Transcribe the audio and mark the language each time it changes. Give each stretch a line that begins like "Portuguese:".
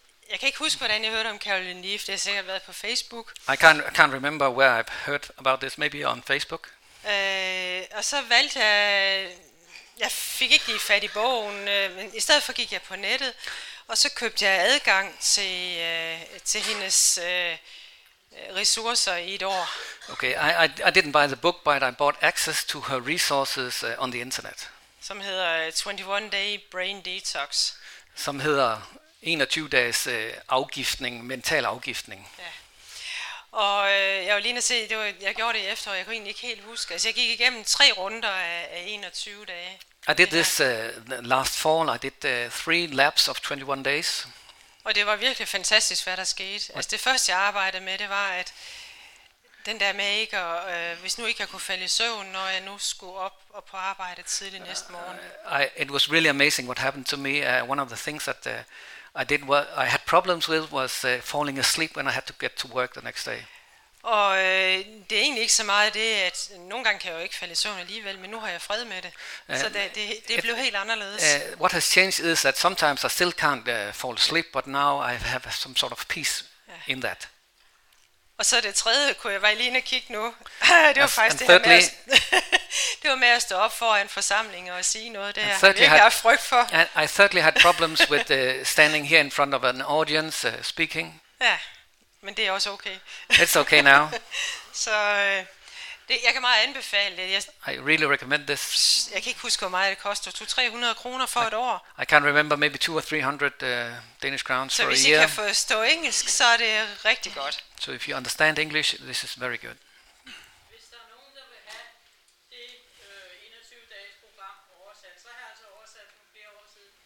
Danish: Jeg kan ikke huske, hvordan jeg hørte om Caroline Leaf. Det har sikkert været på Facebook.
English: I can't remember where I've heard about this. Maybe on Facebook.
Danish: Og så valgte jeg... Jeg fik ikke lige fat i bogen, men i stedet for gik jeg på nettet, og så købte jeg adgang til hendes ressourcer i et år.
English: Okay, I didn't buy the book, but I bought access to her resources on the internet.
Danish: Som hedder 21 Day Brain Detox. Som hedder 21 dages afgiftning, mental afgiftning. Ja. Og jeg var lige at se, det var, jeg gjorde det i efteråret, jeg kunne egentlig ikke helt huske. Altså jeg gik igennem tre runder af 21 dage.
English: I did this last fall, I did three laps of 21 days.
Danish: Og det var virkelig fantastisk, hvad der skete. Altså det første, jeg arbejdede med, det var, at den der med ikke, hvis nu ikke jeg kunne falde i søvn, når jeg nu skulle op og på arbejde tidlig næste morgen.
English: It was really amazing what happened to me. One of the things that... I did what I had problems with was falling asleep when I had to get to work the next day.
Danish: Og det er egentlig ikke så meget det, at nogle gange kan jeg jo ikke falde i søvn alligevel, men nu har jeg fred med det. Så det blev helt anderledes.
English: What has changed is that sometimes I still can't fall asleep, but now I have some sort of peace in that.
Danish: Og så det tredje, kunne jeg være lige inde og kigge nu. Det var faktisk det her med at, det var med at stå op foran forsamlingen og sige noget, det her. Det har jeg frygt for.
English: I certainly had problems with standing here in front of an audience speaking.
Danish: Ja, men det er også okay.
English: It's okay now.
Danish: Så det, jeg kan meget anbefale det.
English: I really recommend this.
Danish: Jeg kan ikke huske, hvor meget det koster. 200-300 kroner for et år.
English: I can't remember, maybe 200-300 Danish crowns
Danish: så
English: for a year.
Danish: Så hvis I kan forstå engelsk, så er det rigtig godt.
English: So if you understand English, this is very good.
Danish: Hvis der er nogen, der vil have det 21-dages program oversat, så har jeg altså oversat nogle flere år siden.